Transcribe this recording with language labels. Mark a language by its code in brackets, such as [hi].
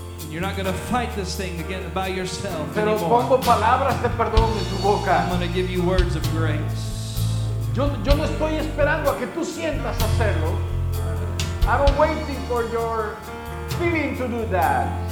[en] You're not going to fight this thing again by yourself [es] Pero [en] anymore. [es] Pongo palabras de perdón en tu boca. [en] I'm going to give you words of grace. [es] Yo no estoy esperando a que tú sientas hacerlo. [en] I'm waiting for your feeling to do that.